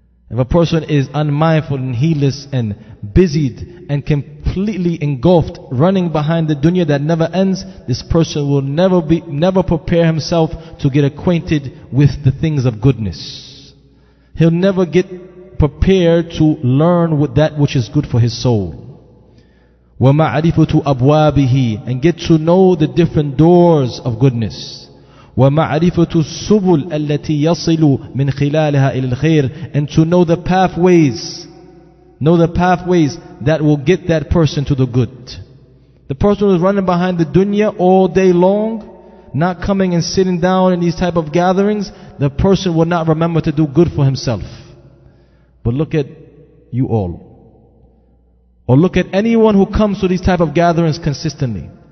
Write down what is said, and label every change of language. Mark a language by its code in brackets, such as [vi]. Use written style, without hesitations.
[en] If a person is unmindful and heedless and busied and completely engulfed, running behind the dunya that never ends, this person will never prepare himself to get acquainted with the things of goodness. He'll never get prepared to learn that which is good for his soul. [ar] وَمَعْرِفُتُ أَبْوَابِهِ, [en] and get to know the different doors of goodness. [ar] وَمَعْرِفُتُ السُّبُلَ الَّتِي يَصِلُ مِنْ خِلَالِهَا إِلَى الْخَيْرِ, [en] and to know the pathways. Know the pathways that will get that person to the good. The person who is running behind the dunya all day long, not coming and sitting down in these type of gatherings, the person will not remember to do good for himself. But look at you all. Or look at anyone who comes to these type of gatherings consistently.